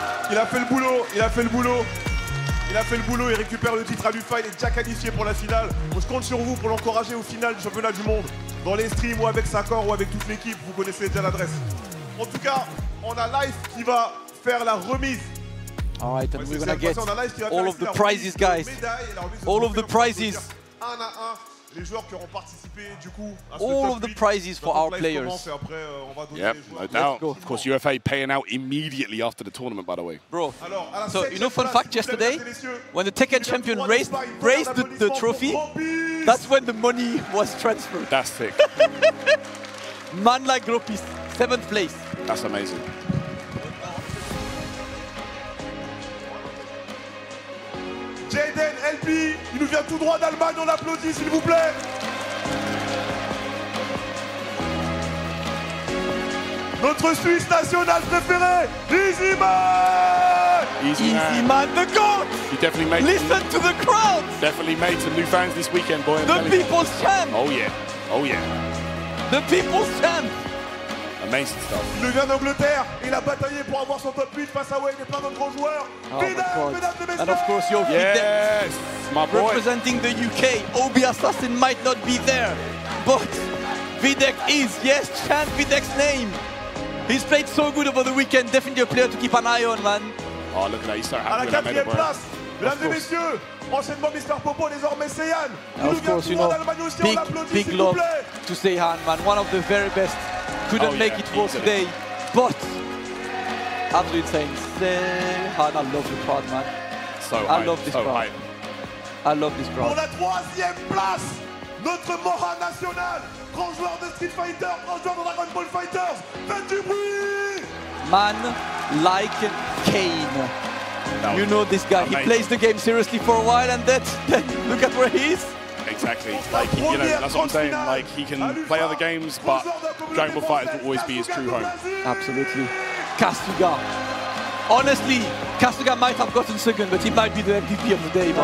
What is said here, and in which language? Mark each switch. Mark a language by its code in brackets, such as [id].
[fr] Il a fait le boulot. Il récupère le titre à l'UFA. Il est déjà qualifié pour la finale. Bon, je compte sur vous pour l'encourager au final du championnat du monde. Dans les streams ou avec sa corps ou avec toute l'équipe, vous connaissez déjà l'adresse. En tout cas, on a Life qui va faire la remise. [en] All right, and we're gonna get all of the prizes, guys. All of the prizes. [fr] Un à un, les joueurs qui auront participé, du coup. [en] All of the prizes for our players. Yep, no doubt. Of course, UFA paying out immediately after the tournament, by the way. Bro, so you know, fun fact, yesterday, when the Tekken champion raised the trophy, that's when the money was transferred. That's sick. Man like Gropis, 7th place. That's amazing. [fr] Jaden LP, il nous vient tout droit d'Allemagne, on l'applaudit s'il vous plaît. Notre Suisse national préféré, Easyman! [en] Easyman the GOAT! You definitely made Listen to the crowd! Definitely made some new fans this weekend, boy. The people's champ! Oh yeah, oh yeah. The people's champ! Amazing stuff. [fr] Il vient d'Angleterre, il a bataillé pour avoir son top 8 face à Wayne et plein d'autres grands joueurs. [en] And of course, your Videct, my boy. Representing the UK, Obi Assassin might not be there, but Videct is, yes, champ Videct's name. He's played so good over the weekend, definitely a player to keep an eye on, man. Oh, look at that, he's so happy. [fr] À la quatrième place, mesdames et messieurs, enchaînement Mr. Popo, désormais Seyhan. [en] Of course, you know, big love to Seyhan, man. One of the very best. Couldn't make it for today, but absolutely insane. Seyhan, I love the crowd, man. I love this crowd. [fr] Pour la troisième place, notre Mohan National. Grand joueur de Street Fighter, grand joueur de Dragon Ball Fighters, faites du bruit! [en] Man like Kayne. You know this guy, amazing. He plays the game seriously for a while and then look at where he is. Exactly, like, you know, that's what I'm saying. Like, he can play other games, but Dragon Ball Fighters will always be his true home. Absolutely. Kasuga. Honestly, Kasuga might have gotten second, but he might be the MVP of the day, man.